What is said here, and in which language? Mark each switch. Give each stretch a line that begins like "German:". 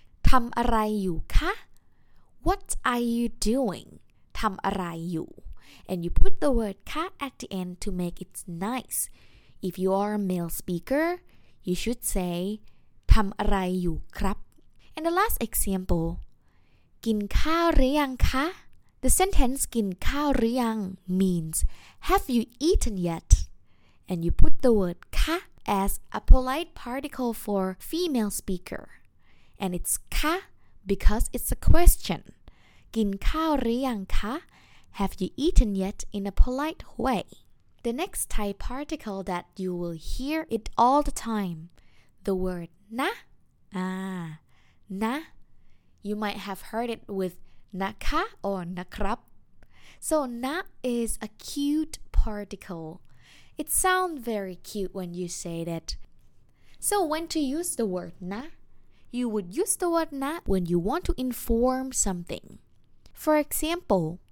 Thai: ทำอะไรอยู่คะ
English: what are you doing
Thai: ทำอะไรอยู่
English: and you put the word คะ at the end to make it nice if you are a male speaker you should say
Thai: ทำอะไรอยู่ครับ
English: and the last example
Thai: กินข้าวหรือยังคะ
English: The sentence กินข้าวหรือยัง means Have you eaten yet? And you put the word ka as a polite particle for female speaker. And it's ka because it's a question.
Thai: กินข้าวหรือยังคะ
English: Have you eaten yet in a polite way? The next Thai particle that you will hear it all the time. The word na. Na. You might have heard it withนะคะ or นะครับ so na is a cute particle it sounds very cute when you say that so when to use the word na you would use the word na when you want to inform something for example